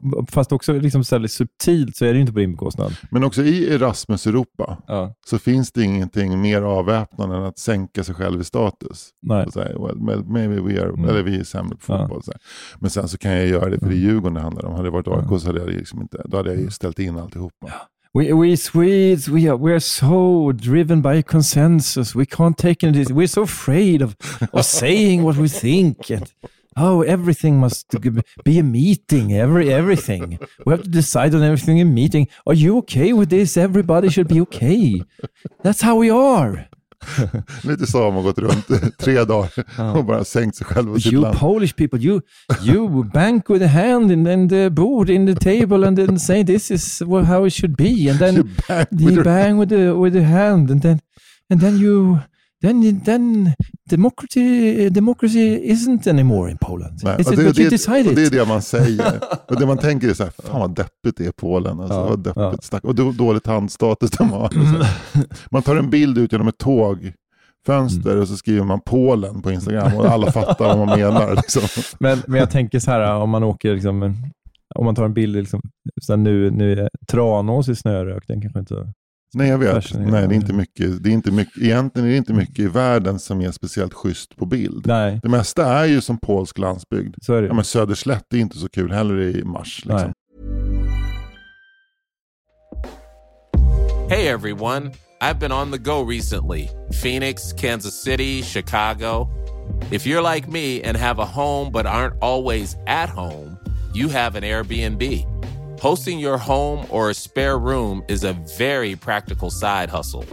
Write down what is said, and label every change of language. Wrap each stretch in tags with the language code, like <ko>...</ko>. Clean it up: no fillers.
<sv>Fast också liksom så här subtilt, så är det inte på din bekostnad. Men också i Erasmus Europa, ja, så finns det ingenting mer avväpnande än att sänka sig själv i status. Nej. Så här,</sv> <en>well, maybe we are,</en> <sv>eller vi är sämre på fotboll. Ja. Så här. Men sen så kan jag göra det, för det är Djurgården det handlar om. Hade det varit AIK så hade jag liksom inte, då hade jag ställt in alltihopa. Ja.</sv> <en>We Swedes, we are so driven by consensus. We can't take any, we're so afraid of saying what we think. Oh, everything must be a meeting. Everything. We have to decide on everything in a meeting. Are you okay with this? Everybody should be okay. That's how we are.</en> <sv>Lite så har man gått runt tre dagar och bara sänkt sig själv.</sv> <en>You land. Polish people, you bank with a hand in the board, in the table, and then say this is how it should be. And then you bang with the hand. And then democracy isn't anymore in Poland.</en> <sv>Nej,</sv> <en>is it, but you decided?</en> <sv>Det är det man säger. Och det man tänker är så här, fan vad deppigt det är Polen. Alltså, ja, vad deppigt, ja. Och dåligt handstatus de har. Man tar en bild ut genom ett tågfönster och så skriver man Polen på Instagram och alla fattar vad man menar. Liksom. Men jag tänker så här, om man åker liksom, om man tar en bild liksom, så här, nu är Tranås i snörök, den kanske inte... Nej, jag vet. Nej, det är inte mycket. Det är inte mycket. Egentligen är det inte mycket i världen som är speciellt schysst på bild. Nej. Det mesta är ju som polsk landsbygd. Så är det. Ja, men Söderslätt är inte så kul heller i mars. Liksom.</sv> <en>Hey everyone, I've been on the go recently. Phoenix, Kansas City, Chicago. If you're like me and have a home but aren't always at home, you have an Airbnb. Hosting your home or a spare room is a very practical side hustle.</en>